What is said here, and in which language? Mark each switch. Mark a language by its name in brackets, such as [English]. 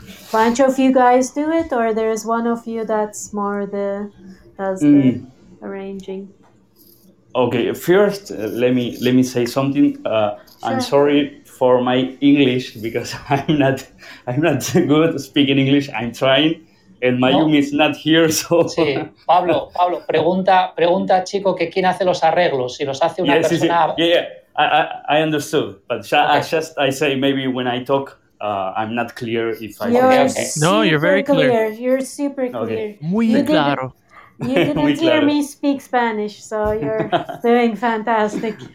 [English] Bunch of you guys do it, or there is one of you that's more the arranging? Okay, first let me say something. Sure. I'm sorry for my English because I'm not good speaking English. I'm trying, and Mayumi is not here. So [Spanish] sí. Pablo, pregunta chico que quién hace los arreglos. Si los hace una persona. Sí. [English] Yeah, I understood, but I say maybe when I talk, I'm not clear if I. No, you're very clear. You're super clear. Okay. Muy you claro. You didn't hear me speak Spanish, so you're doing fantastic.